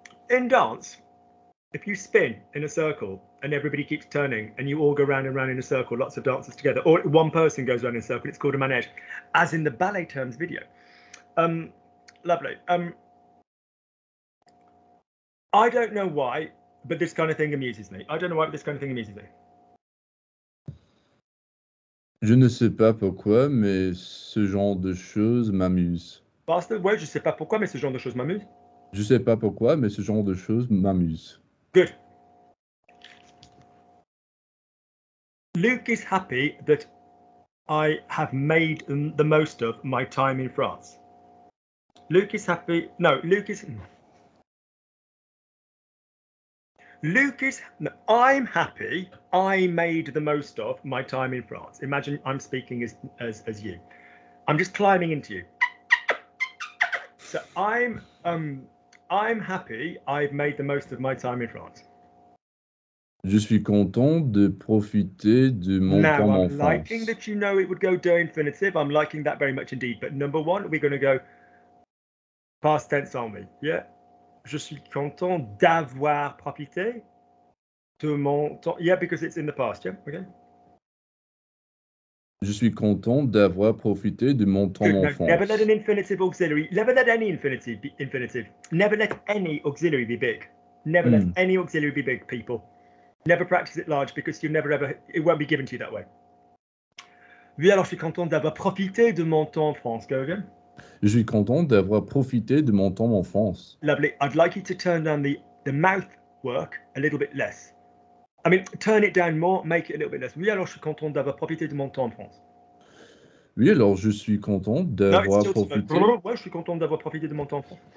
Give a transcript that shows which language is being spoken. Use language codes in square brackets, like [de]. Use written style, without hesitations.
[en] In dance, if you spin in a circle and everybody keeps turning and you all go round and round in a circle, lots of dancers together, or one person goes round in a circle, it's called a manège, as in the ballet terms video. Lovely. I don't know why, but this kind of thing amuses me. I don't know why, but this kind of thing amuses me. [fr] Je ne sais pas pourquoi, mais ce genre de choses m'amuse. Bastard, ouais, je ne sais pas pourquoi, mais ce genre de choses m'amuse. Je ne sais pas pourquoi, mais ce genre de choses m'amuse. [en] Good. Luke is happy that I have made the most of my time in France. Luke is happy. No, Luke is. Luke is, no, I'm happy I made the most of my time in France. Imagine I'm speaking as you. I'm just climbing into you. So I'm happy I've made the most of my time in France. [fr] Je suis content de profiter de mon temps en France. [en] Now, I'm liking that you know it would go de infinitive. I'm liking that very much indeed. But number one, we're going to go past tense on me. Yeah. [fr] Je suis content d'avoir profité de mon temps. [en] Yeah, because it's in the past, yeah, okay? [fr] Je suis content d'avoir profité de mon temps en France. [en] Never let an infinitive auxiliary, never let any infinitive be infinitive. Never let any auxiliary be big. Never let any auxiliary be big, people. Never practice it large because you'll never ever, it won't be given to you that way. [fr] Oui, alors je suis content d'avoir profité de mon temps en France. [en] Go again. [fr] Je suis content d'avoir profité de mon temps en France. [en] Lovely. I'd like you to turn down the mouth work a little bit less. I mean, turn it down more, make it a little bit less. [fr] Oui, alors je suis content d'avoir profité de mon temps en France. Oui, alors je suis content d'avoir profité. Ouais, je suis content d'avoir profité de mon temps en France.